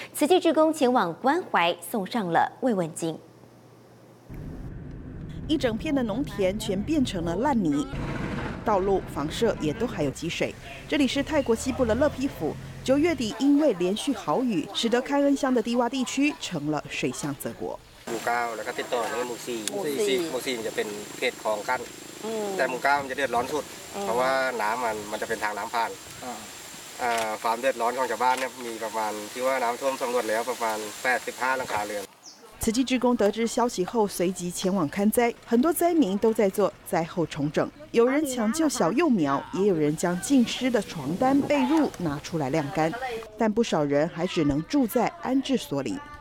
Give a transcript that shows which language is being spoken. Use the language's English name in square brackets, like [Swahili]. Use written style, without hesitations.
[Chinese] 慈济志工前往关怀，送上了慰问金。一整片的农田全变成了烂泥，道路、房舍也都还有积水。这里是泰国西部的乐皮府，9月底因为连续豪雨，使得开恩乡的低洼地区成了水乡泽国。 [Thai] หมู่เก้าแล้วก็ติดต่อในหมู่สี่หมู่สี่จะเป็นเขตคลองกั้นแต่หมู่เก้ามันจะเดือดร้อนสุดเพราะว่าน้ำมันจะเป็นทางน้ำผ่านความเดือดร้อนของชาวบ้านเนี่ยมีประมาณที่ว่าน้ำท่วมสำรวจแล้วประมาณ85หลังคาเรือน [Chinese] 慈济职工得知消息后，随即前往看灾。很多灾民都在做灾后重整，有人抢救小幼苗，也有人将浸湿的床单、被褥拿出来晾干。但不少人还只能住在安置所里。